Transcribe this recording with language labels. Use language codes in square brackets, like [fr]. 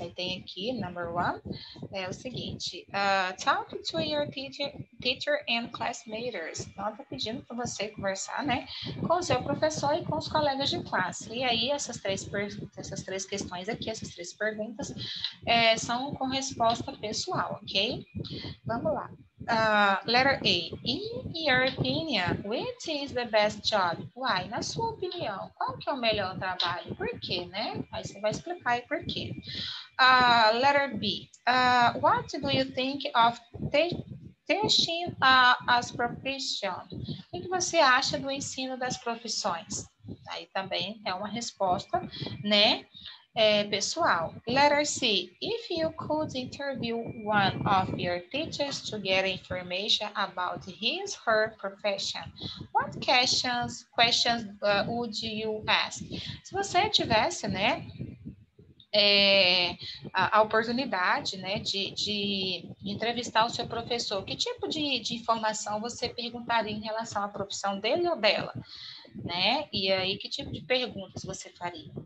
[pt] Aí tem aqui, [en] number one, [pt] é o seguinte. [en] Talk to your teacher and classmates. [pt] Então, tá pedindo para você conversar, né, com o seu professor e com os colegas de classe. E aí, essas três questões aqui, essas três perguntas, são com resposta pessoal, ok? Vamos lá. [en] Letter A. In your opinion, which is the best job? Why? [pt] Na sua opinião, qual que é o melhor trabalho? Por quê, né? Aí você vai explicar aí por quê. [en] Letter B. What do you think of teaching as profession? [pt] O que você acha do ensino das profissões? Aí também é uma resposta, né? Pessoal, [en] letter C. If you could interview one of your teachers to get information about his or her profession, what questions would you ask? [pt] Se você tivesse, né, a oportunidade, né, de entrevistar o seu professor, que tipo de informação você perguntaria em relação à profissão dele ou dela? Né? E aí, que tipo de perguntas você faria?